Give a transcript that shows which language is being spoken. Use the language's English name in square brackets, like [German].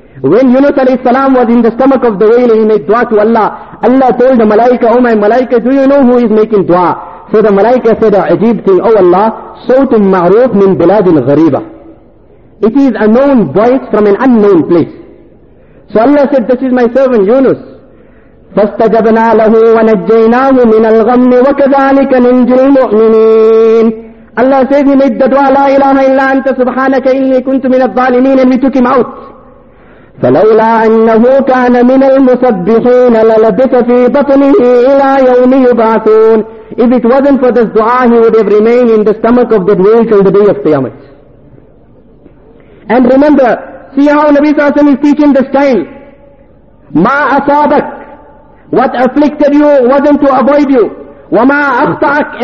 [English] When Yunus alayhi salam was in the stomach of the whale, he made dua to Allah. Allah told the malaika, oh my malaika, do you know who is making dua? So the malaika said, عجيب thing, oh Allah, [Arabic] صوت معروف من بلاد غريبة. [English] It is a known voice from an unknown place. So Allah said, this is my servant Yunus. [Arabic] فَاسْتَجَبْنَا لَهُ وَنَجَّيْنَاهُ مِنَ الْغَمِّ وَكَذَلِكَ نِنْجِي الْمُؤْمِنِينَ [English] Allah says, he made the dua, [Arabic] لا إله إلا أنت سبحانك إني كنت من الظالمين, [English] and we took him out. [Arabic] فلولا أنه كان من المسبحين للبث في بطنه إلى يوم يبعثون. [English] If it wasn't for this dua, he would have remained in the stomach of that whale till the day of Qiyamah. And remember, see how Nabi Sallallahu Alaihi Wasallam is teaching this time. [Arabic] مَا أَصَابَكَ. [English] What afflicted you wasn't to avoid you. [Arabic] وَمَا أَخْطَأَكَ.